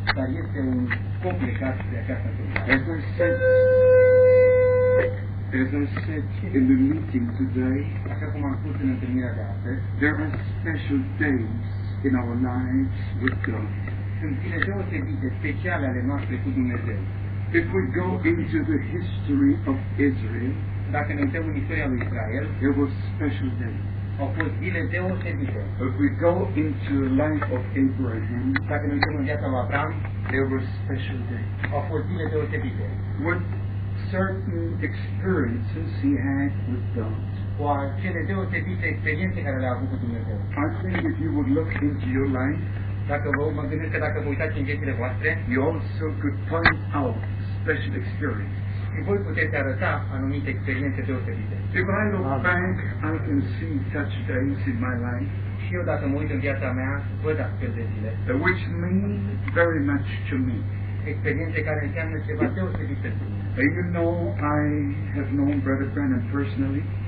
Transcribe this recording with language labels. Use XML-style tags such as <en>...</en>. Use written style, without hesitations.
<ro>Dar este un scop legat de această întâmplare.</ro> <en>As I said in the meeting today,</en> <ro>așa cum am spus în întâlnirea de astăzi,</ro> <en>there are special days in our lives with God.</en> <ro>Sunt zile deosebite, speciale ale noastre cu Dumnezeu.</ro> <en>If we go into the history of Israel,</en> <ro>dacă ne uităm în istoria lui Israel,</ro> <en>there were special days.</en> <ro>Au fost zile deosebite.</ro> <en>If we go into the life of Abraham,</en> <ro>dacă ne uităm în viața lui Abraham,</ro> <en>there were special days.</en> <ro>Au fost zile deosebite.</ro> <en>What certain experiences he had with God.</en> <ro>Cu acele deosebite experiențe care le-a avut cu Dumnezeu.</ro> <en>I think if you would look into your life,</en> <ro>dacă vă mă gândesc că dacă vă uitați în viețile voastre,</ro> <en>you also could point out special experiences.</en> <ro>Și voi puteți arăta anumite experiențe deosebite.</ro> <en>If I look back, I can see such days in my life.</en> <ro>Și eu dacă mă uit în viața mea, văd astfel de zile.</ro> <en>Which mean very much to me.</en> <ro>Experiențe care înseamnă ceva deosebit pentru mine.</ro> <en>You know, I have known Brother Branham personally.</en>